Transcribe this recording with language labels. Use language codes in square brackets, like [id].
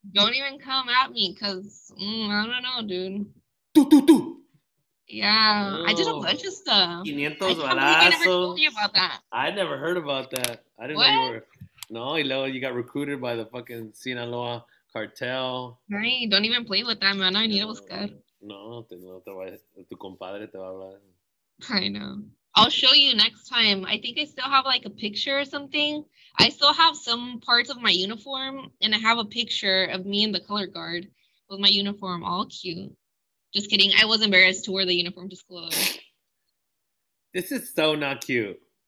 [en] Don't even come at me, because I don't know, dude. Do. Yeah. Oh. I did a bunch of stuff. [es] 500 balazos. [en] I never told you about that. I never heard about that. I didn't know you were. No, Ilo, you got recruited by the fucking Sinaloa cartel. Hey, don't even play with that, man. I need to buscar. [es] No, tu compadre te va a hablar. [en] I know. I'll show you next time. I think I still have like a picture or something. I still have some parts of my uniform, and I have a picture of me in the color guard with my uniform all cute. Just kidding. I was embarrassed to wear the uniform to school. This is so not cute.